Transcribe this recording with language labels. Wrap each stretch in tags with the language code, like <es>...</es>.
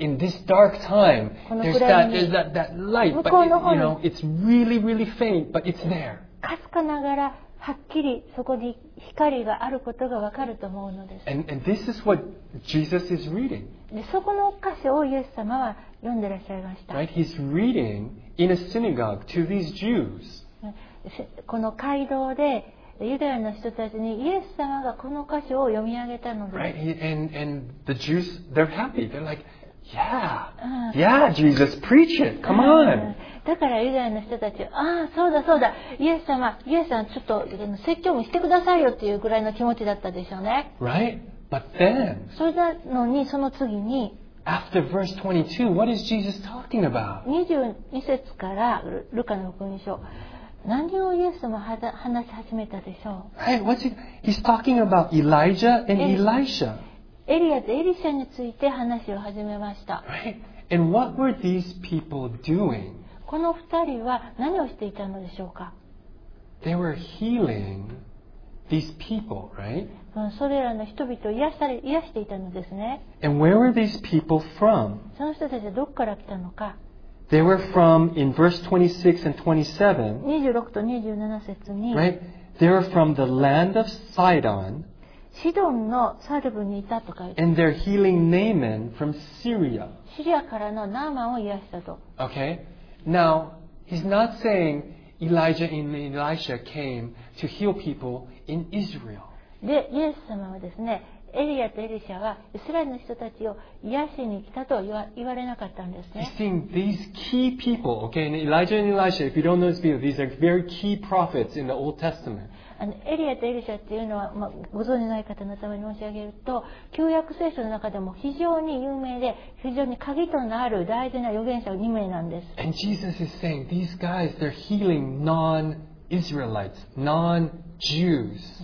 <en>In this dark time, there's that light, but it, you know, it's really, really faint, but it's there.</en> <ja>かすかながらはっきりそこに光があることがわかると思うのです。</ja> <en>And this is what Jesus is reading.</en> <ja>で、そこの箇所をイエス様は読んでらっしゃいました。</ja> <en>Right? He's reading in a synagogue to these Jews.</en> <ja>この街道でユダヤの人たちにイエス様がこの箇所を読み上げたのです。</ja> <en>Right, and the Jews, they're happy. They're like, yeah, yeah, Jesus, preach it. Come on.</en> <ja>だからユダヤの人たち、ああ、そうだそうだ、イエス様、ちょっと説教もしてくださいよっていうぐらいの気持ちだったでしょうね。</ja> <en>Right, but then.</en> <ja>それなのにその次に。</ja> <en>After verse 22, what is Jesus talking about?</en> <ja>22節からルカの福音書。何をイエス様は話し始めたでしょう。</ja> <en>Hey, what's he? He's talking about Elijah and Elisha.</en> <ja>エリアとエリシャについて話を始めました。</ja> <en>Right. And what were these people doing?</en> <ja>この二人は何をしていたのでしょうか。</ja> <en>They were healing these people, right?</en> <ja>それらの人々を癒していたのですね。</ja> <en>And where were these people from?</en> <ja>その人たちはどこから来たのか。</ja> <en>They were from, in verse 26 and 27,</en> <ja>26と27節に、</ja> <en>right? They were from the land of Sidon,</en> <ja>シドンのサルブにいたとか、</ja> <en>and they're healing Naaman from Syria.</en> <ja>シリアからのナーマンを癒したと。</ja> <en>Okay? Now, he's not saying Elijah and Elisha came to heal people in Israel.</en> <ja>で、イエス様はですね、エリアとエリシャはイスラエルの人たちを癒しに来たとは言われなかったんですね。</ja> <en>You see, these key people, okay, and Elijah and Elisha, if you don't know this people, these are very key prophets in the Old Testament.</en> <ja>エリアとエリシャっていうのは、まあ、ご存じない方のために申し上げると、旧約聖書の中でも非常に有名で、非常に鍵となる大事な預言者2名なんです。</ja> <en>And Jesus is saying, these guys, they're healing non-Israelites, non-Jews.</en>